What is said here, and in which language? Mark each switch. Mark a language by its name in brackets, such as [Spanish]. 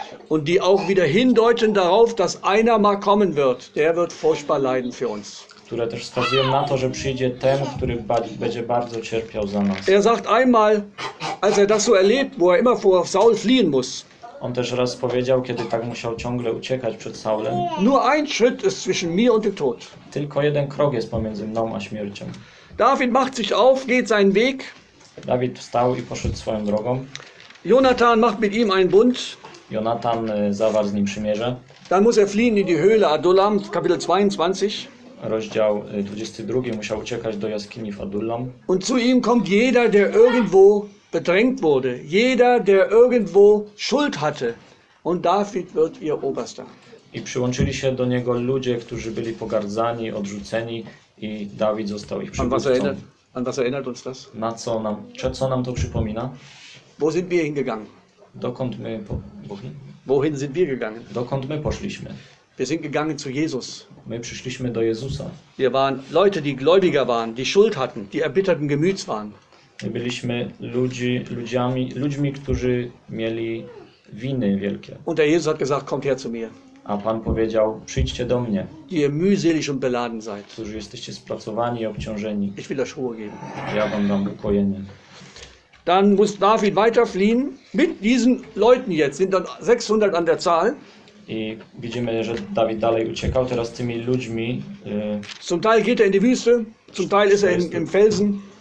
[German] Und die auch wieder hindeuten darauf, dass einer mal kommen wird. Der wird furchtbar leiden für uns. [Polish] Które też wskazują na to, że przyjdzie ten, który będzie bardzo cierpiał za nas. [German] Er sagt einmal, als er das so erlebt, wo er immer vor Saul fliehen muss. [Polish] On też raz powiedział, kiedy tak musiał ciągle uciekać przed Saulem. [German] Nur ein Schritt ist zwischen mir und dem Tod. [Polish] Tylko jeden krok jest pomiędzy mną a śmiercią. [German] David macht sich auf, geht seinen Weg. [Polish] David wstał i poszedł swoją drogą. [German] Jonathan macht mit ihm einen Bund. [Polish] Jonathan zawarł z nim przymierze. [German] Dann muss er fliehen in die Höhle Adullam, Kapitel 22. [Polish] Rozdział 22 musiał uciekać do jaskini w Adullam. [German] Und zu ihm kommt jeder, der irgendwo bedrängt wurde, jeder, der irgendwo Schuld hatte, und David wird ihr Oberster. [Polish] I przyłączyli się do niego ludzie, którzy byli pogardzani, odrzuceni, i Dawid został ich przywódcą. [German] An was erinnert uns das? [Polish] Na co nam, co nam to przypomina? [German] Wo sind wir hingegangen? [Polish] Dokąd my [German] wohin sind wir gegangen? [Polish] Dokąd my poszliśmy? [German] Wir sind gegangen zu Jesus. [Polish] My przyszliśmy do Jezusa. [German] Wir waren Leute, die gläubiger waren, die Schuld hatten, die erbitterten Gemüts waren. [Polish] My byliśmy ludźmi, którzy mieli winy wielkie. [German] Und der Jesus hat gesagt, kommt her zu mir. [Polish] A Pan powiedział, przyjdźcie do mnie. [German] Die ihr mühselig und beladen seid. [Polish] Którzy jesteście spracowani i obciążeni. [German] Ich will euch Ruhe geben. [Polish] Ja wam dam ukojenie. [German] Dann muss David weiter fliehen mit diesen Leuten jetzt. Sind dann 600 an der Zahl. [Polish] I widzimy, że David dalej uciekał teraz z tymi ludźmi. [German] Zum Teil geht er in die Wüste, zum Teil ist er im Felsen.